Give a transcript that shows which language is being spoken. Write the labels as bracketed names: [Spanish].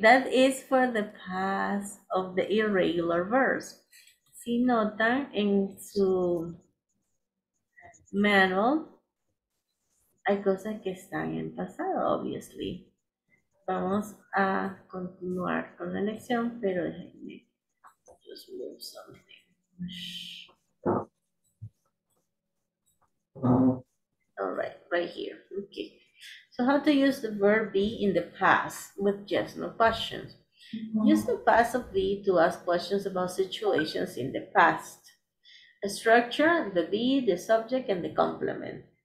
[English] That is for the past of the irregular verbs. [Spanish] Si notan en su manual, hay cosas que están en pasado, obviously. Vamos a continuar con la lección, pero déjenme [English] just move something. All right here. Okay, so how to use the verb be in the past with yes no questions. Use the past of be to ask questions about situations in the past. A structure: the be, the subject, and the complement.